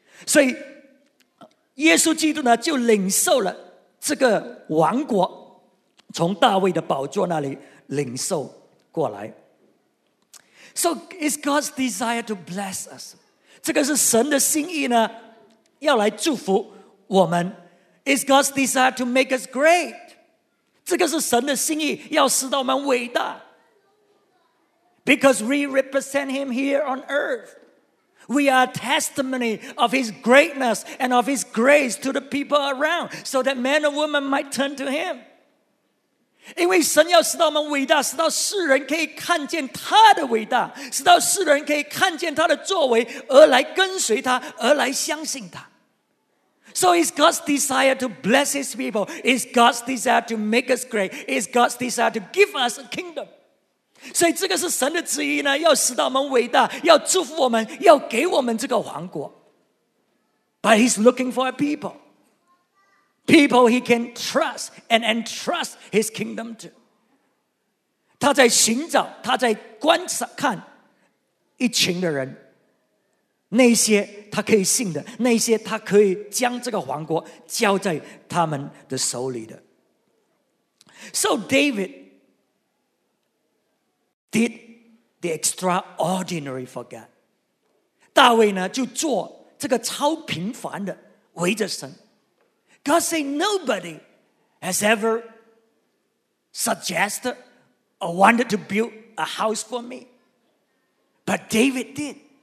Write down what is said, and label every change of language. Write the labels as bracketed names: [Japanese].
[Chinese] 所以耶稣基督呢，就领受了这个王国，从大卫的宝座那里领受过来。 [English] So it's God's desire to bless us. [Chinese] 这个是神的心意呢，要来祝福我们。 [English] It's God's desire to make us great. [Chinese] 这个是神的心意，要使到我们伟大。 [English] Because we represent him here on earth. We are a testimony of his greatness and of his grace to the people around, so that men and women might turn to him. [Chinese] 因为神要使到我们伟大，使到世人可以看见他的伟大，使到世人可以看见他的作为，而来跟随他，而来相信他。 [English] So it's God's desire to bless his people. It's God's desire to make us great. It's God's desire to give us a kingdom. [Chinese] 所以这个是神的旨意呢，要使到我们伟大，要祝福我们，要给我们这个王国。 [English] But he's looking for a people. People he can trust and entrust his kingdom to. [Chinese] 他在寻找，他在观察看一群的人，那些他可以信的，那些他可以将这个王国交在他们的手里的。 [English] So David did the extraordinary for God. [Chinese] 大卫呢，就做这个超平凡的，围着神。 [English] God said nobody has ever suggested or wanted to build a house for me. But David did.